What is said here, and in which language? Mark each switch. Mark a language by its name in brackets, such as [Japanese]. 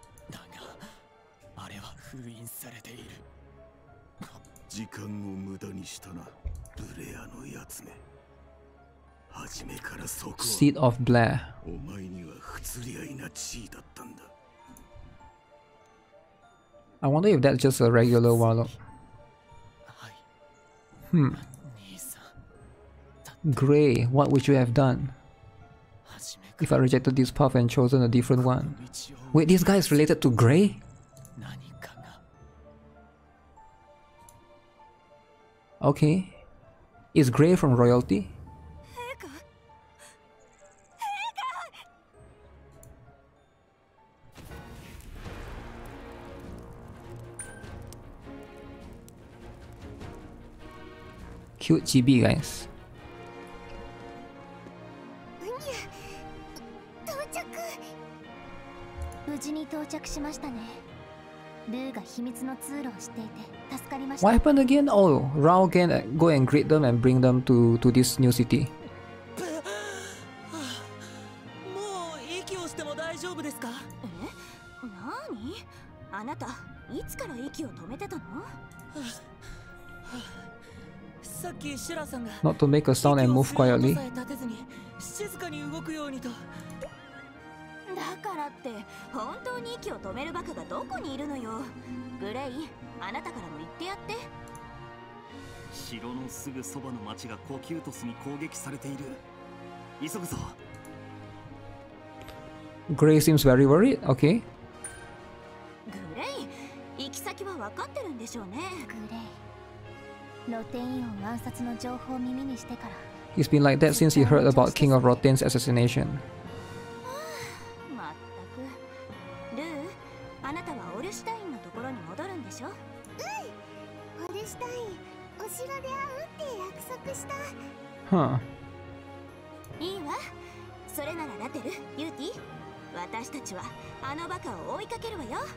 [Japanese] だが、あれは封印されている。時間を無駄にしたな、ブレアのやつめ。初めからそこは。 [English] Seat of Blair。 [Japanese] お前には不釣り合いな地位だったんだ。 [English] I wonder if that's just a regular warlock. Hmm. Gray, what would you have done if I rejected this path and chosen a different one? Wait, this guy is related to Gray? Okay. Is Gray from royalty? Cute chibi, guys. [Japanese] Unya, 到着。無事に到着しましたね。ルーが秘密の通路を知っていて助かりました。 [English] What happened again? Oh, Rao can go and greet them and bring them to this new city. [Japanese] もう息をしても大丈夫ですか？え？何？あなたいつから息を止めてたの？さっきシュラさんが [English] Not to make a sound and move quietly。 [Japanese] 息を抑えたてずに静かに動くようにと。だからって本当に息を止めるバカがどこにいるのよ。グレイ、あなたからも言ってやって。城のすぐそばの町がコキュートスに攻撃されている。急ぐぞ。 [English] グレイ seems very worried。OK。 [Japanese] グレイ、行き先は分かってるんでしょうね。グレイ、ロテインを暗殺の情報を耳にしてから。 [English] He's been like that since he heard about King of Rotin's assassination. [Japanese] まったく。ルー、あなたはオルシュタインのところに戻るんでしょ？うん。オルシュタイン、お城で会うって約束した。はあ。いいわ。それならラテル、ユーティ、私たちはあのバカを追いかけるわよ。